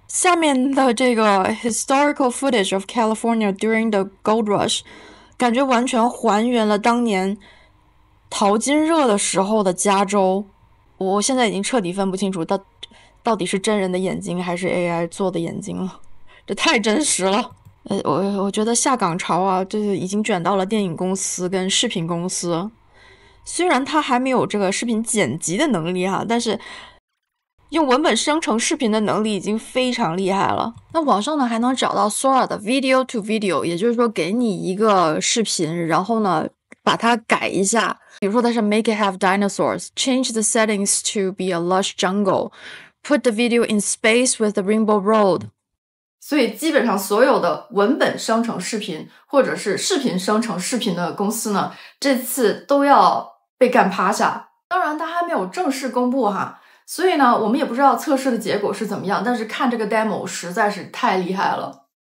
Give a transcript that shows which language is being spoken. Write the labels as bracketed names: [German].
[Chinese] 下面的这个 [English] historical footage of California during the gold rush [Chinese] 感觉完全还原了当年淘金热的时候的加州，我现在已经彻底分不清楚到底是真人的眼睛还是 AI 做的眼睛了，这太真实了。我觉得下岗潮啊，就是已经卷到了电影公司跟视频公司。虽然他还没有这个视频剪辑的能力哈，但是用文本生成视频的能力已经非常厉害了。那网上呢还能找到 Sora 的 [English] video to video， [Chinese] 也就是说给你一个视频，然后呢把它改一下，比如说它是 [English] make it have dinosaurs， change the settings to be a lush jungle， put the video in space with the rainbow road。 [Chinese] 所以基本上所有的文本生成视频或者是视频生成视频的公司呢，这次都要被干趴下。当然它还没有正式公布哈，所以呢我们也不知道测试的结果是怎么样，但是看这个 demo 实在是太厉害了。